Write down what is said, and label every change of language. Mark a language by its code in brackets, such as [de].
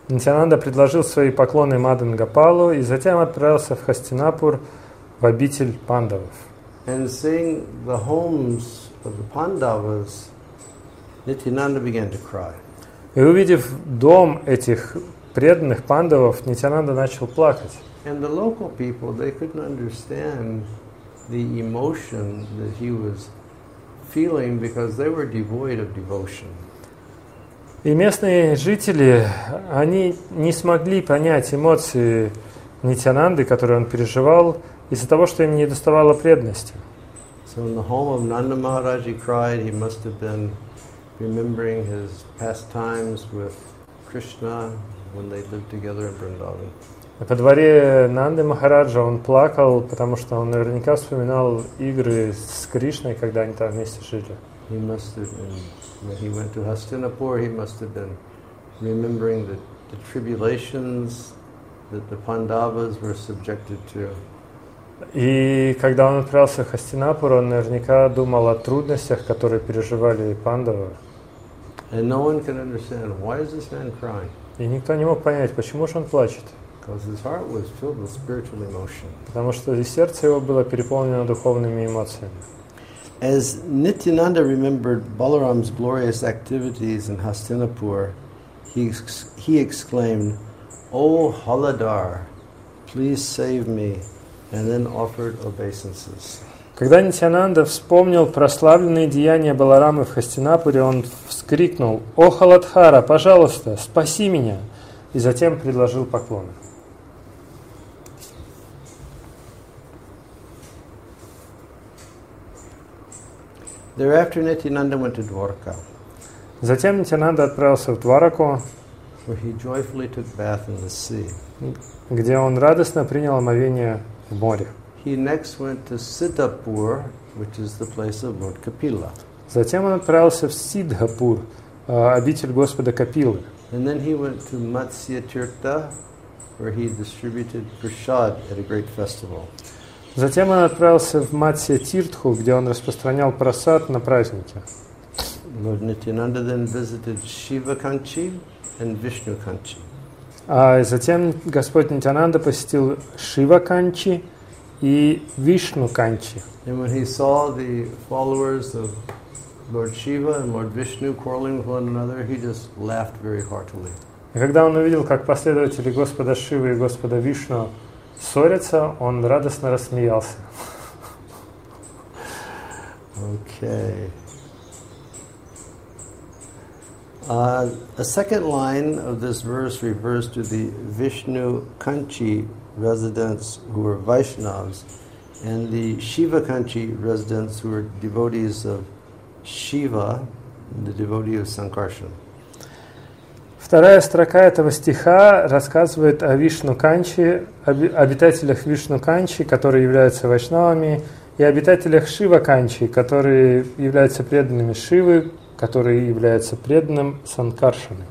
[ru] Nityananda предложил свои поклоны Мадан Гопалу и затем отправился в Хастинапур, в обитель Пандавов. [en] And seeing the homes of the Pandavas, Nityananda began to cry. [ru] И увидев дом этих преданных Пандавов, Нитянанда начал плакать. [en] And the local people, they couldn't understand the emotion that he was feeling because they were devoid of devotion. [ru] И местные жители, они не смогли понять эмоции Нитянанды, которые он переживал, из-за того, что им не доставало преданности. [en] So in the home of Nanda Maharaj, he cried, he must have been remembering his past times with Krishna when they lived together in Vrindavan. [ru] Во дворе Нанды Махараджа он плакал, потому что он наверняка вспоминал игры с Кришной, когда они там вместе жили. [en] He must have been, when he went to Hastinapur, he must have been remembering the tribulations that the Pandavas were subjected to. [ru] И когда он отправился в Хастинапур, он наверняка думал о трудностях, которые переживали Пандавы. [en] And no one can understand why is this man crying? [ru] И никто не мог понять, почему же он плачет. [en] Because his heart was filled with spiritual emotion. [ru] Потому что сердце его было переполнено духовными эмоциями. [en] As Nityananda remembered Balaram's glorious activities in Hastinapur, he exclaimed, "O Haladar, please save me." And then offered obeisances. [ru] Когда Нитянанда вспомнил прославленные деяния Баларамы в Хастинапуре, он вскрикнул: «О Халадхара, пожалуйста, спаси меня!» И затем предложил поклоны. [en] Thereafter Nityananda went to Dwarka. [ru] Затем Нитянанда отправился в Двараку, [en] where he joyfully took bath in the sea. [ru] Где он радостно принял омовение. [en] He next went to Siddhapur, which is the place of Lord Kapila. [ru] Затем он отправился в Сиддхапур, обитель Господа Капилы. [en] And then he went to Matsya Tirtha, where he distributed prasad at a great festival. [ru] Затем он отправился в Матсья Тиртху, где он распространял просад на празднике. [en] Lord Nityananda then visited Shiva Kanchi and Vishnu Kanchi. [ru] А затем Господь Нитянанда посетил Шива Канчи и Вишну Канчи. [en] And when he saw the followers of Lord Shiva and Lord Vishnu quarreling with one another, he just laughed very heartily. [ru] И когда он увидел, как последователи Господа Шивы и Господа Вишну ссорятся, он радостно рассмеялся. [en] Okay. A second line of this verse refers to the Vishnu Kanchi residents who were Vaishnavas and the Shiva Kanchi residents who were devotees of Shiva, the devotee of Sankarshan. [ru] Вторая строка этого стиха рассказывает о Вишну Канчи, обитателях Вишну Канчи, которые являются Вайшнавами, и обитателях Шива Канчи, которые являются преданными Шивы, который является преданным Санкаршаной.